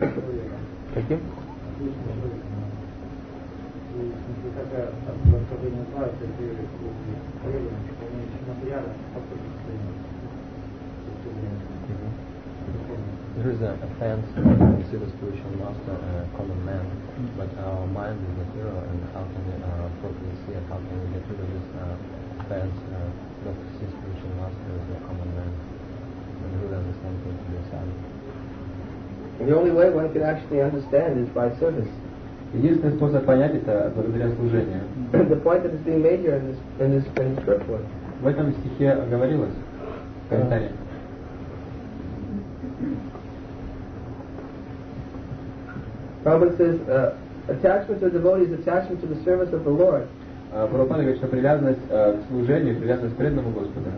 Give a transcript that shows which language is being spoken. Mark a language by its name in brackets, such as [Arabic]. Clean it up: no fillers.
[English] There is an offense to see the spiritual master and a common man, but our mind is material, and how can we properly see and how can we get rid of this offense not to see spiritual master as a common man? And who does the same thing to yourself? The only way one can actually understand is by service. [Russian] Единственный способ понять это благодаря служению. The point that is being made here in this scripture. В этом стихе говорилось. Комментарий. [English] Prabhupada says, attachment to a devotee is attachment to the service of the Lord. [Russian] Prabhupada говорит, что привязанность к служению, привязанность к преданному Господу.